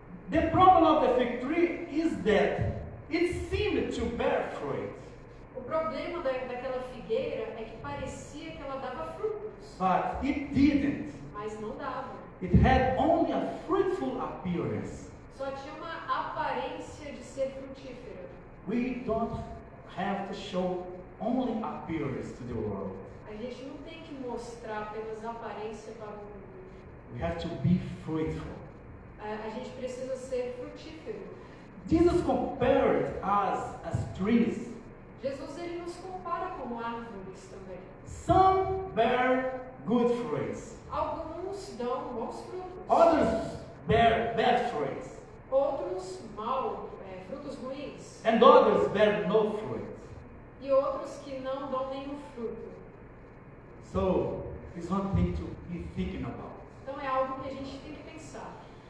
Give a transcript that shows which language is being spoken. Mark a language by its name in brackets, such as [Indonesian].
[English] The problem of the fig tree is that it seemed to bear fruit. [Portuguese] O problema daquela figueira é que parecia que ela dava frutos. [English] But it didn't. [Portuguese] Mas não dava. [English] It had only a fruitful appearance. [Portuguese] Só tinha uma aparência de ser frutífera. [English] We don't have to show only appearance to the world. [Portuguese] A gente não tem que mostrar apenas aparência para o mundo. [English] We have to be fruitful. [Portuguese] A gente precisa ser frutífero. [English] Jesus compared us as trees. [Portuguese] Jesus ele nos compara como árvores também. [English] Some bear good fruits. [Portuguese] Alguns dão bons frutos. [English] Others bear bad fruits. [Portuguese] Outros mal, frutos ruins. [English] And others bear no fruit. [Portuguese] E outros que não dão nenhum fruto. [English] So, it's one thing to be thinking about. [Portuguese] Então é algo que a gente tem que pensar.